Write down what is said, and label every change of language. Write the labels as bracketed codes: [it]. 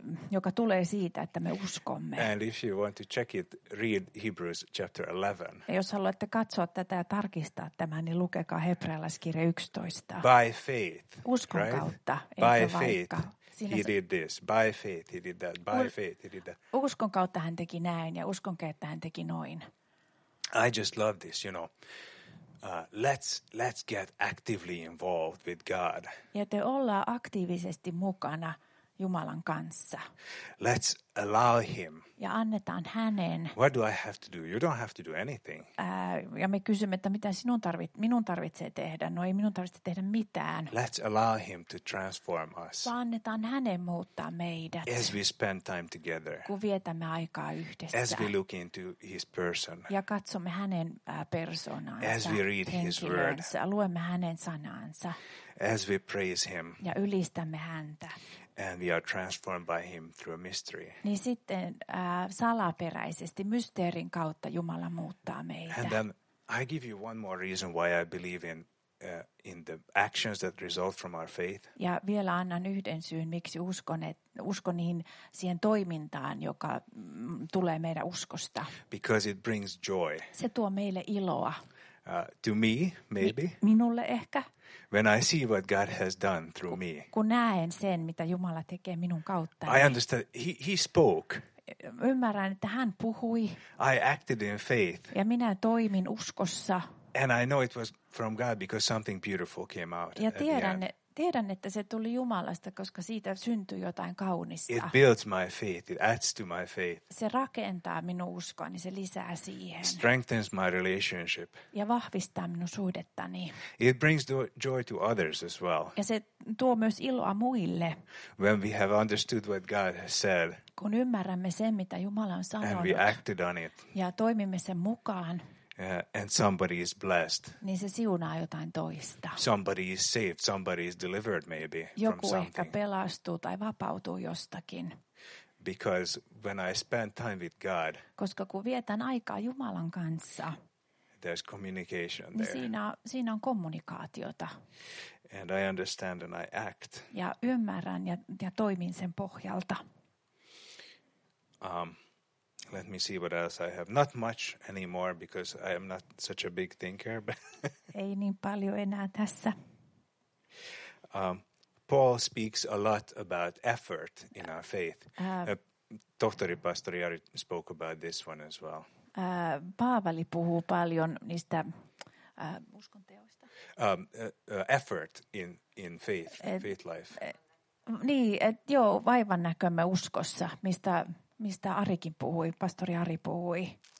[fi] Joka tulee siitä, että me uskomme. [en] And if you want to check it, read Hebrews chapter 11. [fi] Ja jos haluatte katsoa tätä ja tarkistaa tämän, niin lukekaa hebrealaiskirja 11. [en] By faith. [fi] Uskon [en] right? [fi] Kautta. [en] By faith. He did this. By faith he did that. By faith he did that. [fi] Uskon kautta hän teki näin ja uskon kautta hän teki noin. [en] I just love this, you know. Let's get actively involved with God. [fi] Ja te ollaan aktiivisesti mukana Jumalan kanssa. [en] Let's allow him. [fi] Ja annetaan hänen. [en] What do I have to do? You don't have to do anything. [fi] Ja me kysymme, että mitä minun tarvitsee tehdä. No ei minun tarvitse tehdä mitään. [en] Let's allow him to transform us. [fi] Vaan annetaan hänen muuttaa meidät. [en] As we spend time together. [fi] Kun vietämme aikaa yhdessä. [en] As we look into his person. [fi] Ja katsomme hänen persoonaansa. [en] As we read his word. [fi] Luemme hänen sanaansa. [en] As we praise him. [fi] Ja ylistämme häntä. [en] And we are transformed by him through a mystery. [fi] Niin sitten salaperäisesti mysteerin kautta Jumala muuttaa meitä. [en] And then I give you one more reason why I believe in the actions that result from our faith. [fi] Ja vielä annan yhden syyn, miksi uskon niihin siihen toimintaan, joka tulee meidän uskosta. [en] Because it brings joy. [fi] Se tuo meille iloa. [en] To me, maybe. [fi] Minulle ehkä. [en] When I see what God has done through me. [fi] Kun näen sen, mitä Jumala tekee minun kautta. [en] I understand. He spoke. [fi] Ymmärrän, että hän puhui. [en] I acted in faith. [fi] Ja minä toimin uskossa. [en] And I know it was from God because something beautiful came out. [fi] Ja tiedän, että se tuli Jumalasta, koska siitä syntyi jotain kaunista. [en] It builds my faith. It adds to my faith. [fi] Se rakentaa minun uskoani, se lisää siihen. [en] Strengthens my relationship. [fi] Ja vahvistaa minun suhdettani. [en] It brings joy to others as well. [fi] Ja se tuo myös iloa muille. [en] When we have understood what God has said. [fi] Kun ymmärrämme sen, mitä Jumala on sanonut. [en] And we acted on it. [fi] Ja toimimme sen mukaan. [en] And somebody is blessed. [fi] Niin se siunaa jotain toista. [en] Somebody is saved, somebody is delivered maybe [fi] joku [en] from something. [fi] Joku ehkä pelastuu tai vapautuu jostakin. [en] Because when I spend time with God. [fi] Koska kun vietän aikaa Jumalan kanssa. [en] There's communication [fi] niin [en] there. [fi] Siinä on kommunikaatiota. [en] And I understand and I act. [fi] Ja ymmärrän ja toimin sen pohjalta. [en] Let me see what else I have. Not much anymore because I am not such a big thinker. [fi] Ei niin paljon enää tässä. [en] Paul speaks a lot about effort in our faith. Tohtori pastori Jari spoke about this one as well. [fi] Paavali puhuu paljon niistä uskon teoista. [en] Effort in faith, faith life. [fi] Niin, että joo, vaivan näkömme uskossa, mistä Arikin puhui, pastori Ari puhui.